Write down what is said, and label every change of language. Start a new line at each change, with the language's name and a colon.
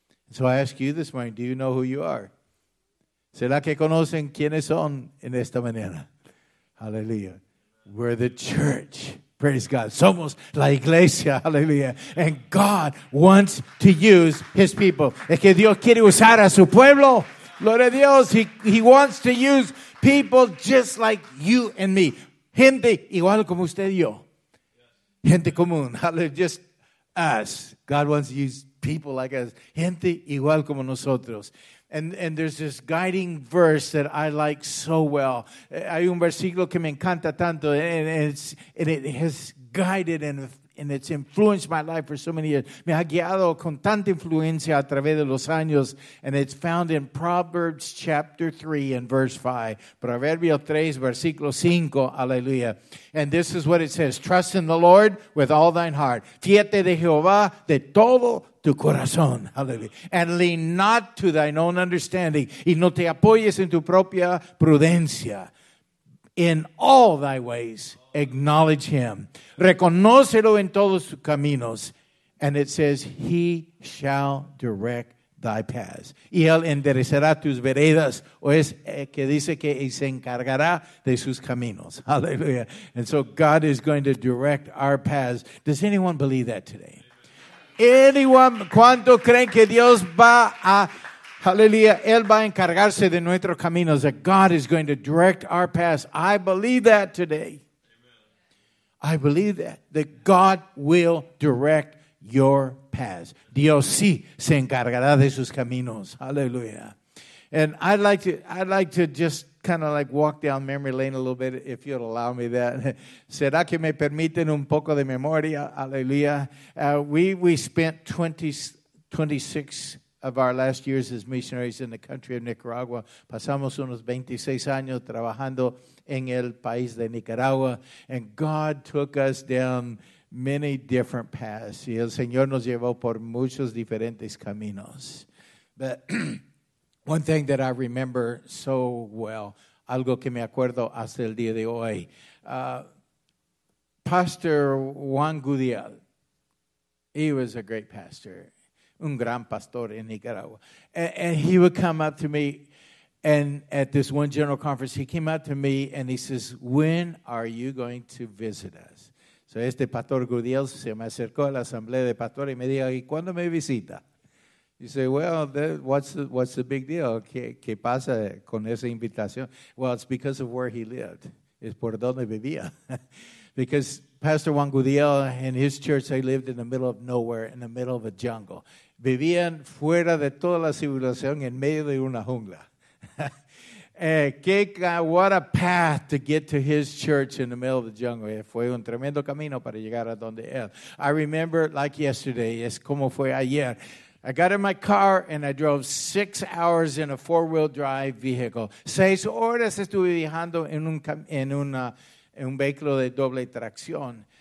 English: So I ask you this morning, do you know who you are?
Spanish: ¿Será que conocen quiénes son en esta mañana?
English: Hallelujah. We're the church. Praise God.
Spanish: Somos la iglesia.
English: Hallelujah. And God wants to use his people.
Spanish: Es que Dios quiere usar a su pueblo. Gloria a Dios.
English: He wants to use people just like you and me.
Spanish: Gente igual como usted y yo. Gente común. Hallelujah.
English: Just us. God wants to use people like us,
Spanish: gente igual como nosotros.
English: And there's this guiding verse that I like so well.
Spanish: Hay un versículo que me encanta tanto,
English: and it has guided and it's influenced my life for so many years.
Spanish: Me ha guiado con tanta influencia a través de los años,
English: and it's found in Proverbs chapter 3 and verse 5.
Spanish: Proverbio 3, versículo 5, aleluya.
English: And this is what it says, trust in the Lord with all thine heart.
Spanish: Fíjate de Jehová de todo tu corazón, hallelujah,
English: and lean not to thine own understanding,
Spanish: y no te apoyes en tu propia prudencia.
English: In all thy ways, acknowledge him.
Spanish: Reconócelo en todos tus caminos.
English: And it says, he shall direct thy paths.
Spanish: Y él enderezará tus veredas. O es que dice que él se encargará de sus caminos.
English: Hallelujah. And so God is going to direct our paths. Does anyone believe that today? Anyone,
Spanish: ¿cuánto creen que Dios va a, hallelujah, él va a encargarse de nuestros caminos,
English: that God is going to direct our paths? I believe that today. Amen. I believe that God will direct your paths.
Spanish: Dios sí se encargará de sus caminos. Hallelujah.
English: And I'd like to just kind of like walk down memory lane a little bit, if you'll allow me that.
Spanish: ¿Será que me permiten un poco de memoria?
English: Hallelujah. We spent 26 of our last years as missionaries in the country of Nicaragua.
Spanish: Pasamos unos 26 años trabajando en el país de Nicaragua.
English: And God took us down many different paths.
Spanish: Y el Señor nos llevó por muchos diferentes caminos.
English: But one thing that I remember so well,
Spanish: algo que me acuerdo hasta el día de hoy,
English: Pastor Juan Gudiel, he was a great pastor,
Spanish: un gran pastor en Nicaragua.
English: And he would come up to me, and at this one general conference, he came up to me and he says, when are you going to visit us?
Spanish: So este Pastor Gudiel se me acercó a la asamblea de pastores y me dijo, ¿y cuándo me visita?
English: You say, well, what's the big deal?
Spanish: ¿Qué pasa con esa invitación?
English: Well, it's because of where he lived.
Spanish: Es por donde vivía.
English: Because Pastor Juan Gudiel and his church, they lived in the middle of nowhere, in the middle of a jungle.
Spanish: Vivían fuera de toda la civilización, en medio de una jungla.
English: What a path to get to his church in the middle of the jungle.
Spanish: Fue un tremendo camino para llegar a donde él.
English: I remember, like yesterday,
Spanish: es como fue ayer.
English: I got in my car and I drove 6 hours in a four-wheel drive vehicle.
Spanish: 6 horas estuve viajando en un vehículo de doble tracción.